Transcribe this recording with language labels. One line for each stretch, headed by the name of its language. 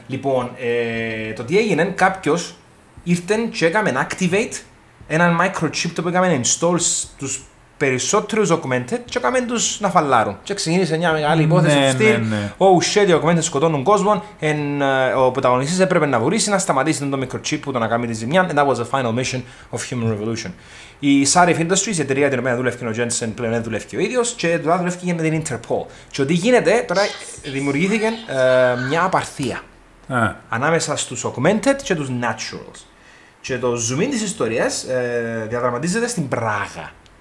Greek: Λοιπόν, το τι έγινε, κάποιος ήρθε και έκαμε να activate έναν microchip το οποίο έκαμε να install στους περισσότερους augmented και έκαμε τους να φαλάρουν. Και ξεκίνησε μια μεγάλη υπόθεση ναι, στυλ.
English: Oh shit,
Greek: οι augmented σκοτώνουν κόσμο. Ο πρωταγωνιστής έπρεπε να βουρήσει, να σταματήσει τον microchip που τον έκαμε τη ζημιά.
English: And that was the final mission of Human Revolution.
Greek: Η Sarif Industries, η εταιρεία την οποία δουλεύει ο Jensen, πλέον δουλεύει ο ίδιος και τώρα δουλεύει και με την Interpol. Και ό,τι γίνεται, τώρα δημιουργήθηκε μια απαρθία ανάμεσα στους augmented και τους naturals. Και το zoom in της ιστορίας διαδραματίζεται στην Πράγα.